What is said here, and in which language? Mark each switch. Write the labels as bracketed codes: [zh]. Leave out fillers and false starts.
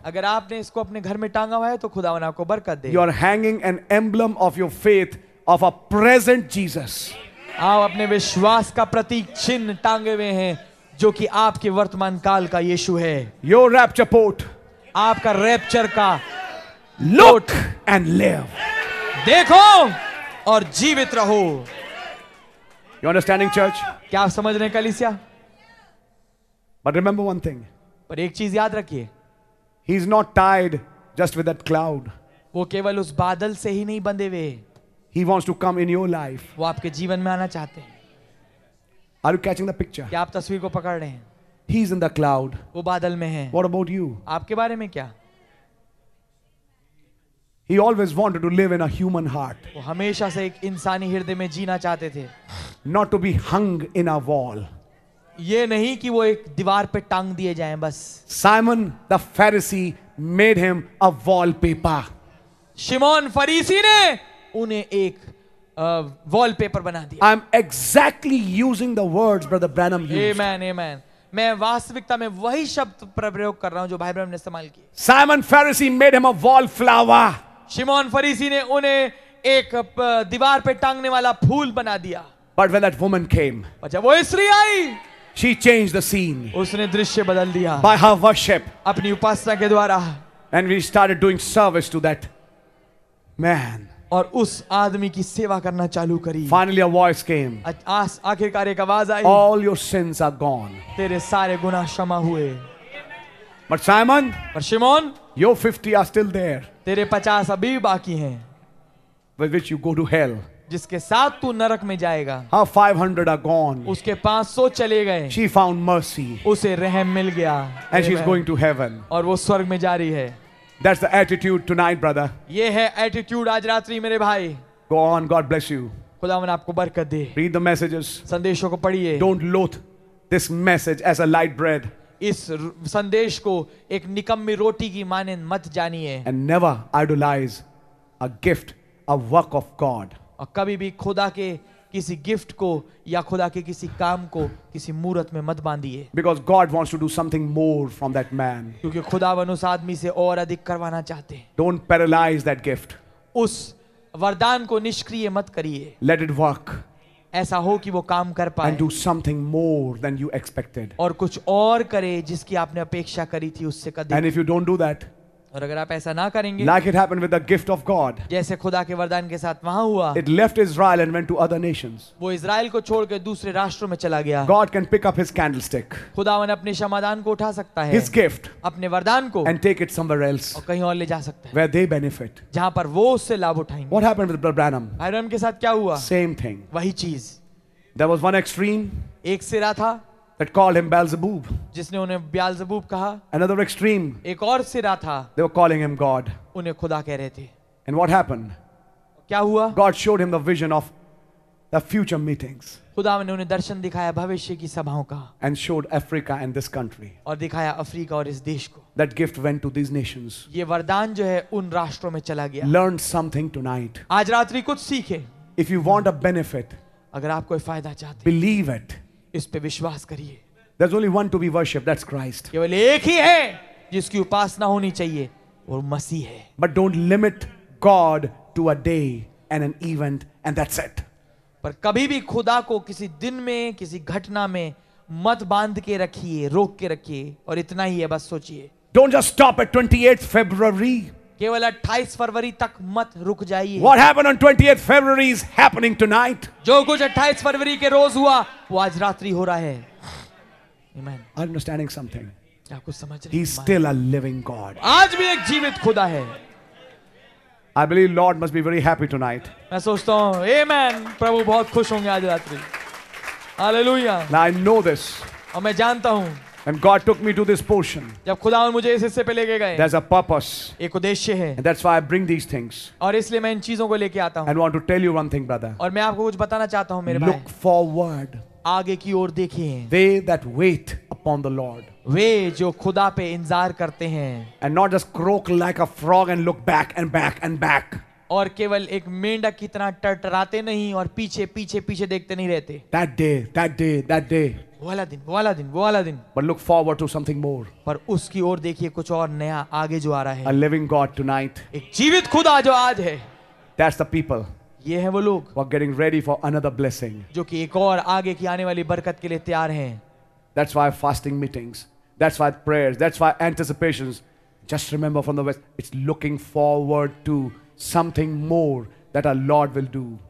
[hi] अगर आपने इसको अपने घर में टांगा हुआ है तो खुदा आपको बरकत दे. [en] You are hanging an emblem of your faith. Of a present Jesus. [hi] आप अपने विश्वास का प्रतीक चिन्ह टांगे हुए हैं जो कि आपके वर्तमान काल का यीशु है. [en] Your rapture port. [hi] आपका रैप्चर का. [en] Look and live. [hi] देखो और जीवित रहो. [en] You understanding church? [hi] क्या आप समझ रहे हैं कलीसिया? [en] But remember one thing. [hi] पर एक चीज याद रखिए. [en] He is not tied just with that cloud. [hi] वो केवल उस बादल से ही नहीं बंधे हुए. [en] He wants to come in your life. [hi] वो आपके जीवन में आना चाहते हैं. [en] Are you catching the picture? [hi] क्या आप तस्वीर को पकड़ रहे हैं? [en] He is in the cloud. [hi] वो बादल में है. [en] What about you? [hi] आपके बारे में क्या? [en] He always wanted to live in a human heart. [hi] वो हमेशा से एक इंसानी हृदय में जीना चाहते थे. [en] Not to be hung in a wall. [hi] ये नहीं कि वो एक दीवार पे टांग दिए जाएं बस. [en] Simon the Pharisee made him a wallpaper. [hi] शिमोन फरीसी ने उन्हें एक वॉलपेपर बना दिया. [en] I am exactly using the words Brother Branham used. Amen, amen. [hi] मैं वास्तविकता में वही शब्द प्रयोग कर रहा हूं जो भाई ब्रैनम ने इस्तेमाल किए. [en] Simon Pharisee made him a wallflower. [hi] शिमोन फरीसी ने उन्हें एक दीवार पे टांगने वाला फूल बना दिया. [en] But when that woman came, [hi] जब वो स्त्री आई, [en] she changed the scene. [hi] उसने दृश्य बदल दिया. [en] By her worship, [hi] अपनी उपासना के द्वारा. [en] And we started doing service to that man. [hi] और उस आदमी की सेवा करना चालू करी. [en] Finally a voice came. [hi] आखिरकार एक आवाज आई. [en] All your sins are gone. [hi] तेरे सारे गुनाह क्षमा हुए. [en] But Simon, [hi] पर शिमोन, [en] your 50 are still there. [hi] तेरे 50 अभी बाकी हैं. [en] With which you go to hell. [hi] जिसके साथ तू नरक में जाएगा. [en] Her 500 are gone. [hi] उसके 500 चले गए. [en] She found mercy. [hi] उसे रहम मिल गया. [en] And she's going to heaven. [hi] और वो स्वर्ग में जा रही है. [en] That's the attitude tonight, brother. [hi] ये है attitude आज रात्रि मेरे भाई. [en] Go on, God bless you. [hi] खुदावन आपको बरकत दे. [en] Read the messages. [hi] संदेशों को पढ़िए. [en] Don't loathe this message as a light bread. [hi] इस संदेश को एक निकम्मी रोटी की मानें मत जानिए. [en] And never idolize a gift, a work of God. [hi] और कभी भी खुदा के किसी गिफ्ट को या खुदा के किसी काम को किसी मूरत में मत बांधिए. [en] Because God wants to do something more from that man. [hi] क्योंकि खुदावन उस आदमी से और अधिक करवाना चाहते हैं. [en] Don't paralyze that gift. [hi] उस वरदान को निष्क्रिय मत करिए. [en] Let it work. [hi] ऐसा हो कि वो काम कर पाए. [en] And do something more than you expected. [hi] और कुछ और करे जिसकी आपने अपेक्षा करी थी उससे कदी. [en] And if you don't do that, [hi] और अगर आप ऐसा ना करेंगे [en] like it happened with the gift of God, [hi] जैसे खुदा के वरदान के साथ वहां हुआ, [en] it left Israel and went to other nations. [hi] वो इज़राइल को छोड़कर दूसरे राष्ट्रों में चला गया. [en] God can pick up his candlestick, [hi] खुदावन अपने शमादान को उठा सकता है, [en] his gift, [hi] अपने वरदान को, [en] and take it somewhere else, [hi] और कहीं और ले जा सकता है, [en] where they benefit, [hi] जहां पर वो उससे लाभ उठाएंगे. [en] What happened with Brother Branham? [hi] Branham के साथ क्या हुआ? [en] Same thing. [hi] वही चीज. [en] There was one extreme, [hi] एक सिरा था, [en] that called him Beelzebub. [hi] जिसने उन्हें बेलज़बूब कहा. [en] Another extreme, [hi] एक और सिरा था, [en] they were calling him God. [hi] उन्हें खुदा कह रहे थे. [en] And what happened? [hi] क्या हुआ? [en] God showed him the vision of the future meetings. [hi] खुदा ने उन्हें दर्शन दिखाया भविष्य की सभाओं का. [en] And showed Africa and this country. [hi] और दिखाया अफ्रीका और इस देश को. [en] That gift went to these nations. [hi] ये वरदान जो है उन राष्ट्रों में चला गया. [en] Learn something tonight. [hi] आज रात्रि कुछ सीखे. [en] If you want a benefit, [hi] अगर आप कोई फायदा चाहते, [en] believe it. [hi] इस पे विश्वास करिए. [en] There's only one to be worshipped, that's Christ. [hi] केवल एक ही है जिसकी उपासना होनी चाहिए, वो मसीह है. [en] But don't limit God to a day and an event and that's it. [hi] पर कभी भी खुदा को किसी दिन में किसी घटना में मत बांध के रखिए, रोक के रखिए और इतना ही है, बस सोचिए. [en] Don't just stop at 28th February. [hi] केवल 28 फरवरी तक मत रुक जाइए. [en] What happened on 28th February is happening tonight. [hi] जो कुछ 28 फरवरी के रोज हुआ वो आज रात्रि हो रहा है. [en] Amen. Understanding something. [hi] आप कुछ समझ रहे हैं? [en] He's still a living God. [hi] आज भी एक जीवित खुदा है. [en] I believe Lord must be very happy tonight. [hi] मैं सोचता हूँ, Amen. प्रभु बहुत खुश होंगे आज रात्रि. [en] Hallelujah. Now I know this. [hi] और मैं जानता हूँ. [en] And God took me to this portion. [hi] जब खुदा मुझे इस हिस्से पे लेके गए. [en] There's a purpose. [hi] एक उद्देश्य है. [en] And that's why I bring these things. [hi] और इसलिए मैं इन चीजों को लेके आता हूँ. [en] And want to tell you one thing, brother. [hi] और मैं आपको कुछ बताना चाहता हूँ मेरे [en] भाई. Look forward. [hi] आगे की ओर देखिए. [en] They that wait upon the Lord. [hi] वे जो खुदा पे इंतजार करते हैं. [en] And not just croak like a frog and look back and back and back. [hi] और केवल एक मेंढक की तरह टटराते नहीं और पीछे पीछे पीछे देखते नहीं रहते. [en] That day. [hi] वाला दिन. [en] But look forward to something more. [hi] पर उसकी ओर देखिए, कुछ और नया आगे जो आ रहा है. [en] A living God tonight. [hi] एक जीवित खुदा जो आज है. [en] That's the people. [hi] ये है वो लोग. [en] Who are getting ready for another blessing. [hi] जो कि एक और आगे की आने वाली बरकत के लिए तैयार हैं. [en] That's why fasting meetings. That's why prayers. That's why anticipations. Just remember from the West, it's looking forward to something more that our Lord will do.